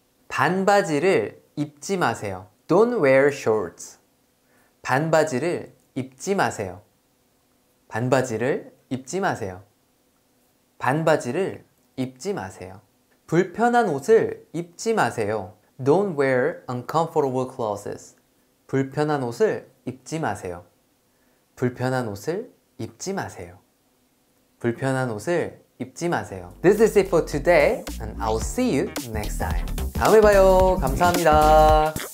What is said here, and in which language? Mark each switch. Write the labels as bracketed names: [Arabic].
[Korean] 반바지를 입지 마세요. [English] Don't wear shorts. [Korean] 반바지를 입지 마세요. 반바지를 입지 마세요. 반바지를 입지 마세요. 불편한 옷을 입지 마세요. [English] Don't wear uncomfortable clothes. [Korean] 불편한 옷을 입지 마세요. 불편한 옷을 입지 마세요. 불편한 옷을 입지 마세요. [English] This is it for today, and I'll see you next time. [Korean] 다음에 봐요. 감사합니다.